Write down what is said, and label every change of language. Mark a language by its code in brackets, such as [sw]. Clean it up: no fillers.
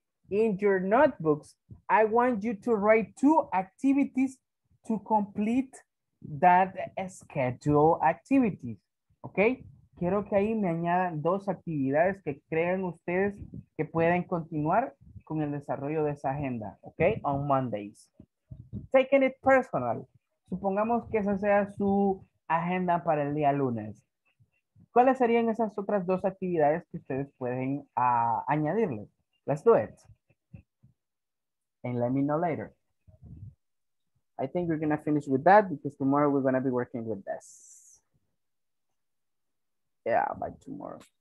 [en] In your notebooks, I want you to write two activities to complete that schedule activities, okay? [es] Quiero que ahí me añadan dos actividades que crean ustedes que pueden continuar con el desarrollo de esa agenda, ¿ok? [en] On Mondays. Taking it personal. [es] Supongamos que esa sea su agenda para el día lunes. ¿Cuáles serían esas otras dos actividades que ustedes pueden añadirle? [en] Let's do it. And let me know later. I think we're going to finish with that because tomorrow we're going to be working with this. Yeah, by tomorrow.